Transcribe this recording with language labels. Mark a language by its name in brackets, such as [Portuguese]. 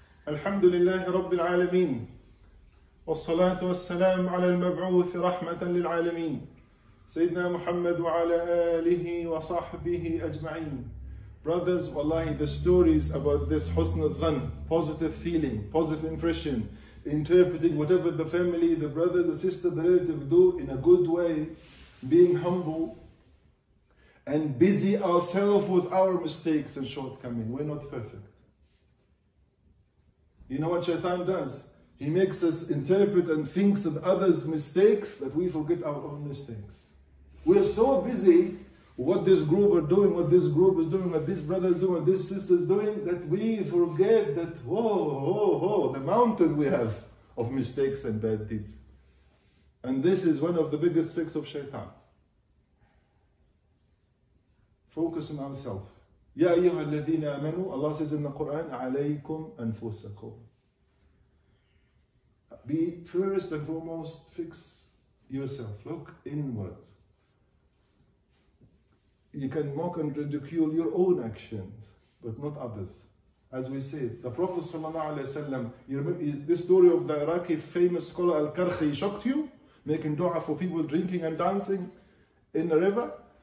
[Arabic] الحمد لله رب العالمين والصلاة والسلام على المبعوث رحمة للعالمين سيدنا محمد وعلى آله وصحبه أجمعين. [English] Brothers, wallahi, the stories about this husn al-dhan, positive feeling, positive impression, interpreting whatever the family, the brother, the sister, the relative do in a good way, being humble and busy ourselves with our mistakes and shortcomings. We're not perfect. You know what Shaitan does? He makes us interpret and think of others' mistakes that we forget our own mistakes. We are so busy what this group are doing, what this group is doing, what this brother is doing, what this sister is doing, that we forget that, the mountain we have of mistakes and bad deeds. And this is one of the biggest tricks of Shaitan. Focus on ourselves. [Arabic] يَا أَيُّهَا الَّذِينَ آمَنُوا [English] Allah says in the Quran, [Arabic] عَلَيْكُمْ أَنفُسَكُمْ. [English] Be first and foremost, fix yourself. Look inwards. You can mock and ridicule your own actions, but not others. As we say, the Prophet Sallallahu Alaihi Wasallam, you remember this story of the Iraqi famous scholar Al-Karkhi shocked you, making dua for people drinking and dancing in the river?